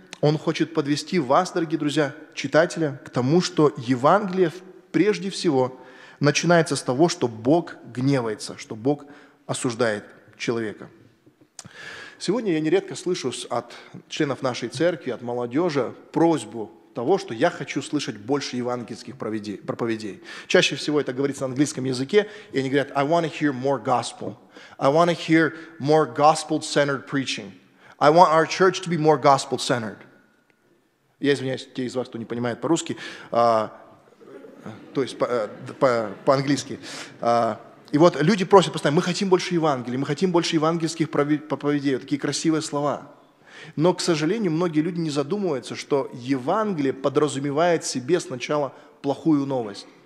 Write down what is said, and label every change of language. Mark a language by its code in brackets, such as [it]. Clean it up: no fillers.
[ru] Он хочет подвести вас, дорогие друзья, читателя, к тому, что Евангелие прежде всего начинается с того, что Бог гневается, что Бог осуждает человека. Сегодня я нередко слышу от членов нашей церкви, от молодежи просьбу того, что я хочу слышать больше евангельских проповедей. Чаще всего это говорится на английском языке, и они говорят [en] «I want to hear more gospel», «I want to hear more gospel-centered preaching», «I want our church to be more gospel-centered». [ru] Я извиняюсь, те из вас, кто не понимает по-русски, то есть по-английски. И вот люди просят постоянно, мы хотим больше Евангелия, мы хотим больше евангельских проповедей, вот такие красивые слова. Но, к сожалению, многие люди не задумываются, что Евангелие подразумевает себе сначала плохую новость.